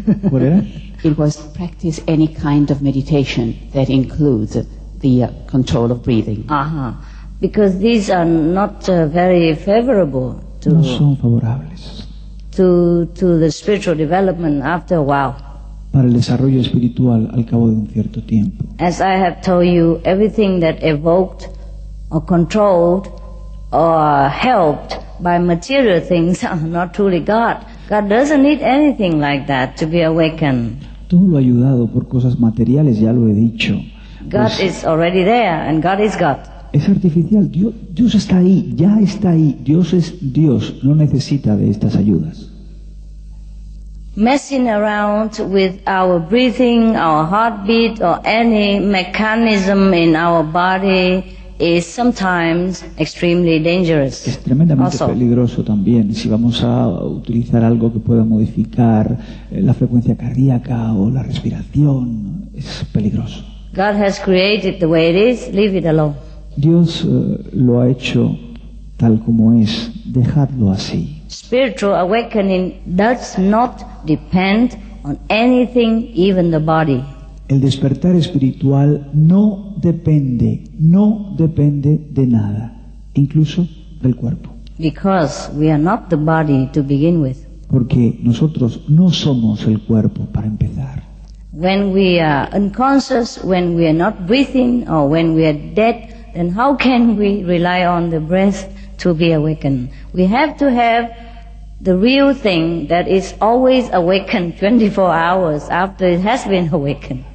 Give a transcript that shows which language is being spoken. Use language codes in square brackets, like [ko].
[en] What is it? It was practice any kind of meditation that includes the control of breathing. Uh-huh. Because these are not very favorable to... [es] No son favorables. [en] To the spiritual development after a while. [es] Para el desarrollo espiritual al cabo de un cierto tiempo. [en] As I have told you, everything that evoked or controlled or helped by material things are not truly God. God doesn't need anything like that to be awakened. [es] Todo lo ayudado por cosas materiales, ya lo he dicho. [en] God is already there and God is God. [es] Es artificial. Dios está ahí, ya está ahí. Dios es Dios, no necesita de estas ayudas. [en] messing around with our breathing, our heartbeat, or any mechanism in our body is sometimes extremely dangerous. [es] Es tremendamente [en] also, [es] peligroso también si vamos a utilizar algo que pueda modificar la frecuencia cardíaca o la respiración. Es peligroso. [en] God has created the way it is. Leave it alone. [es] Dios lo ha hecho tal como es. Dejadlo así. [en] Spiritual awakening does not depend on anything, even the body. [es] El despertar espiritual no depende, no depende de nada, incluso del cuerpo. [en] Because we are not the body to begin with. [es] Porque nosotros no somos el cuerpo para empezar. [en] When we are unconscious, when we are not breathing, or when we are dead, then how can we rely on the breath to be awakened? We have to have the real thing that is always awakened 24 hours after it has been awakened.